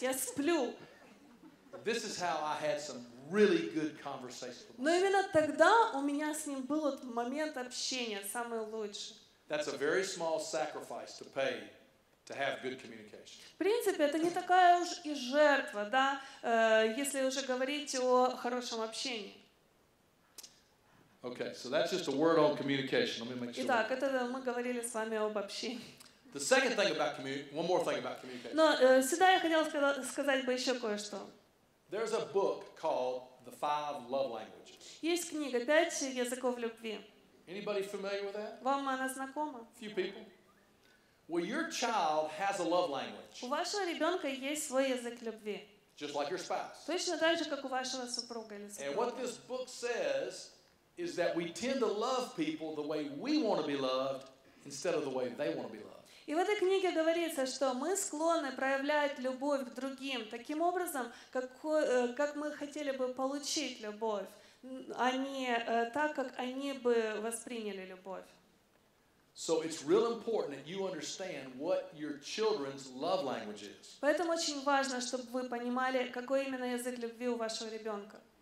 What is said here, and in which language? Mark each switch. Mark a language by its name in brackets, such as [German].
[Russian] Я сплю. [English] This is how I had some really good conversations. [Russian] Но именно тогда у меня с ним был вот момент общения самый лучший. [English] That's a very small sacrifice to pay to have good communication. [Russian] В принципе, это не такая уж и жертва, да, если уже говорить о хорошем общении. [English] Okay, so that's just a word on communication. Let me make sure. [Russian] Итак, это мы говорили с вами об общении. [English] The second thing about one more thing about communication. [Russian] Но сюда я хотела сказать бы еще кое-что. [English] There's a book called The Five Love Languages. [Russian] Есть книга «Пять языков любви». [English] Anybody familiar with that? [Russian] Вам она знакома? [English] Few people. Well, your child has a love language. [Russian] У вашего ребенка есть свой язык любви. [English] Just like your spouse. [Russian] Точно так же, как у вашего супруга или супруга. [English] And what this book says is that we tend to love people the way we want to be loved instead of the way they want to be loved. [Russian] И в этой книге говорится, что мы склонны проявлять любовь к другим таким образом, как мы хотели бы получить любовь, а не так, как они бы восприняли любовь. [English] So it's real important that you understand what your children's love language is. [Russian] Поэтому очень важно, чтобы вы понимали, какой именно язык любви у вашего ребенка.